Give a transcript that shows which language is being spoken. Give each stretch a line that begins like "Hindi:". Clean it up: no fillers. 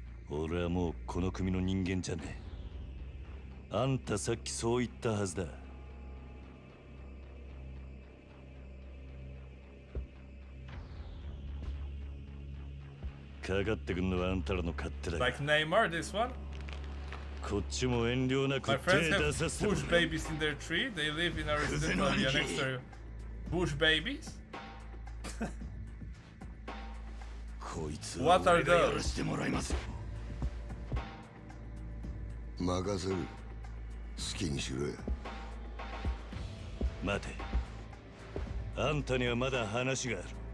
Japanese: 俺はもうこの組の人間じゃねえ。あんたさっきそう言ったはずだ。かかってくんのはあんたらの勝手だ。
English: Like Neymar, this one?
Japanese: こっちも遠慮なく手出させてもらう。
English: My friends have bush babies in their tree. They live in a residential area next to bush babies.
Japanese: こいつは俺がやらせてもらいます。任せる。好きにしろよ。待て。あんたにはまだ話がある。